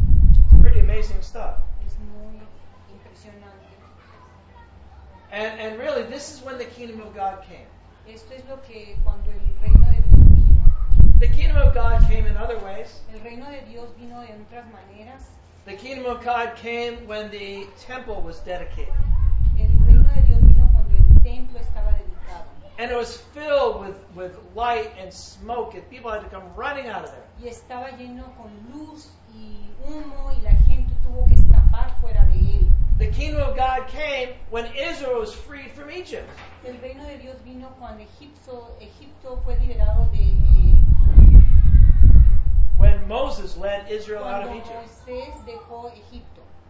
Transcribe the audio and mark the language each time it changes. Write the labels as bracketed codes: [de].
[en] It's pretty amazing stuff. [es] Es muy impresionante. [en] And really, this is when the kingdom of God came. [es] Esto es lo que cuando el reino de Dios vino. [en] The kingdom of God came in other ways. [es] El reino de Dios vino de otras maneras. [en] The kingdom of God came when the temple was dedicated. [es] El reino de Dios vino cuando el templo estaba dedicado. [en] And it was filled with light and smoke, and people had to come running out of there. [es] Y estaba lleno con luz y humo, y la gente tuvo que escapar fuera de él. [en] The kingdom of God came when Israel was freed from Egypt. [es] El reino de Dios vino cuando Egipto fue liberado de [en] when Moses led Israel out of Egypt. [es] Cuando Moisés dejó Egipto.